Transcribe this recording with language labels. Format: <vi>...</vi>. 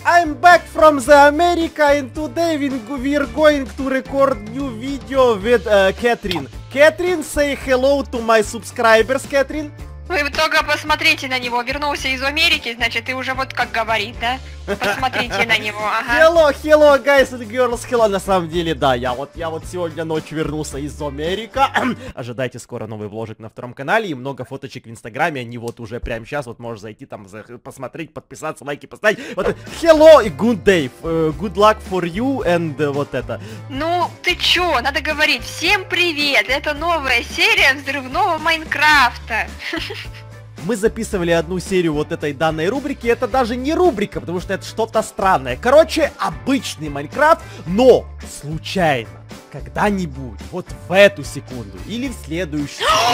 <en>I'm back from the America, and today we're going to record new video with Catherine. Catherine, say hello to my subscribers, Catherine.</en> <ru>Вы только посмотрите на него. Вернулся из Америки, значит, и уже вот как говорит, да? Посмотрите на него, ага.</ru> <en>Hello, hello, guys and girls, hello.</en> <ru>На самом деле, да, я вот сегодня ночью вернулся из Америки. Ожидайте скоро новый вложек на втором канале и много фоточек в Инстаграме. Они вот уже прямо сейчас, вот можешь зайти там, посмотреть, подписаться, лайки поставить.</ru> <en>Вот, hello и good day, good luck for you and</en> <ru>вот это. Ну, ты чё, надо говорить, всем привет, это новая серия взрывного Майнкрафта. Мы записывали одну серию вот этой данной рубрики, это даже не рубрика, потому что это что-то странное. Короче, обычный Майнкрафт, но случайно, когда-нибудь, вот в эту секунду или в следующую.</ru>